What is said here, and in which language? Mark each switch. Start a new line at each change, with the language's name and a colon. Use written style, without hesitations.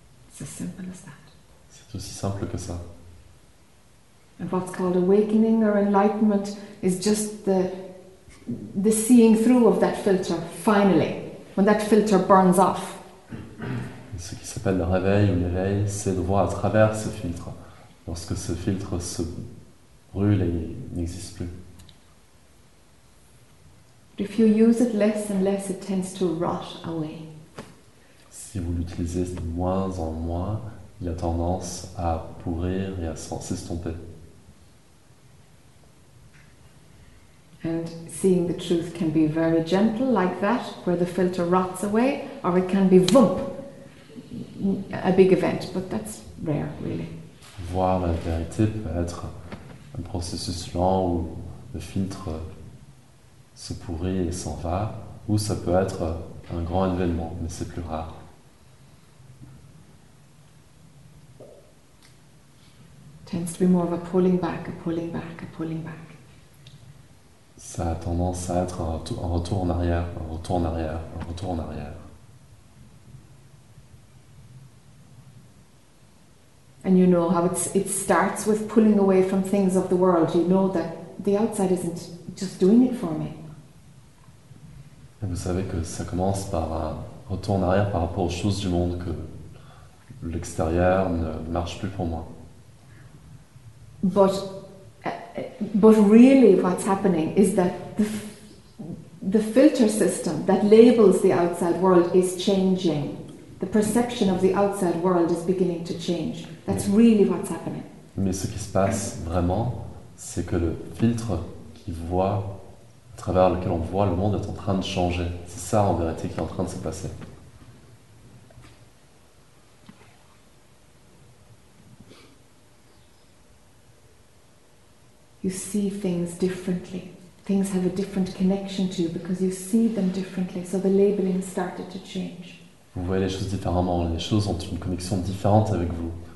English: It's as simple as that.
French: C'est aussi simple que ça.
English: And what's called awakening or enlightenment is just the seeing through of that filter, finally, when that filter burns off.
French: Ce qui s'appelle le réveil ou l'éveil, c'est de voir à travers ce filtre, lorsque ce filtre se brûle et n'existe plus.
English: But if you use it less and less, it tends to rot away.
French: Si vous l'utilisez de moins en moins, il a tendance à pourrir et à s'estomper.
English: And seeing the truth can be very gentle, like that, where the filter rots away, or it can be vump, a big event, but that's rare, really.
French: Voir la vérité peut être un processus lent où le filtre se pourrit et s'en va, ou ça peut être un grand événement, mais c'est plus rare.
English: Tends to be more of a pulling back, a pulling back, a pulling back.
French: Ça a tendance à être un retour en arrière, un retour en arrière, un retour en arrière.
English: And you know how it starts with pulling away from things of the world. You know that the outside isn't just doing it for me.
French: Et vous savez que ça commence par un retour en arrière par rapport aux choses du monde, que l'extérieur ne marche plus pour moi.
English: But really what's happening is that the filter system that labels the outside world is changing. The perception of the outside world is beginning to change. That's really what's happening.
French: Mais ce qui se passe vraiment, c'est que le filtre qui voit, à travers lequel on voit le monde, est en train de changer. C'est ça en vérité qui est en train de se passer.
English: You see things differently. Things have a different connection to you because you see them differently. So the labeling started to change.
French: Vous voyez les choses différemment. Les choses ont une connexion différente avec vous.